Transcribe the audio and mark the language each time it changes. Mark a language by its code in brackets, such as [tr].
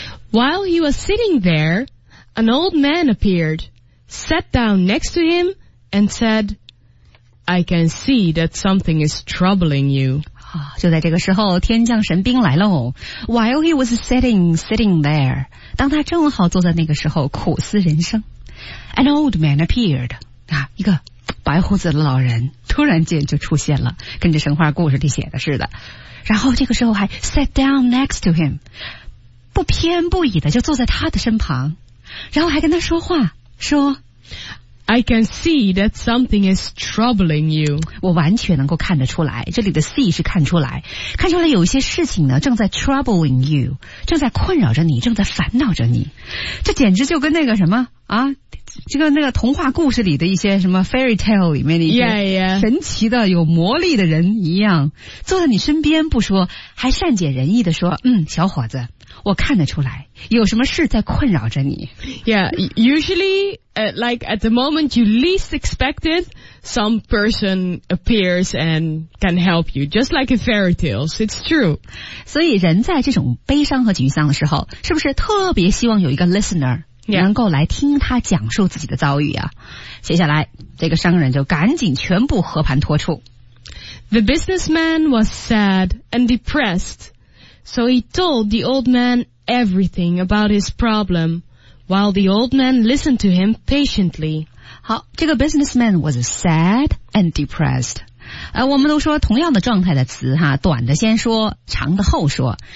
[en] While he was sitting there, an old man appeared, sat down next to him and said, I can see that something is troubling you.、 [zh] 啊、就在这个时候天降神兵来喽。 [en] While he was sitting there, [zh] 当他正好坐在那个时候苦思人生。 [en] An old man appeared,、 [zh] 啊、一个白胡子的老人突然间就出现了，跟着神话故事里写的似的。然后这个时候还 [en] sat down next to him, [zh] 不偏不倚的就坐在他的身旁，然后还跟他说话说 [en] I can see that something is troubling you. [zh] 我完全能够看得出来，这里的 see 是看出来，看出来有一些事情呢正在 [en] troubling you, [zh] 正在困扰着你，正在烦恼着你。这简直就跟那个什么啊，这个那个童话故事里的一些什么 fairy tale 里面的一些神奇的 [en] yeah, yeah. [zh] 有魔力的人一样，坐在你身边不说，还善解人意的说，嗯，小伙子。我看得出来有什么事在困扰着你。 [en] Yeah, usually,、like at the moment you least expect it, some person appears and can help you, just like in fairy tales, it's true. [zh] 所以人在这种悲伤和沮丧的时候，是不是特别希望有一个 listener、 [en] yeah. [zh] 能够来听他讲述自己的遭遇啊。接下来这个商人就赶紧全部和盘托出。 [en] The businessman was sad and depressed. So he told the old man everything about his problem, while the old man listened to him patiently. [zh] 好，这个 [en] businessman was sad and depressed. [zh] 我们都说同样的状态的词哈，短的先说，长的后说。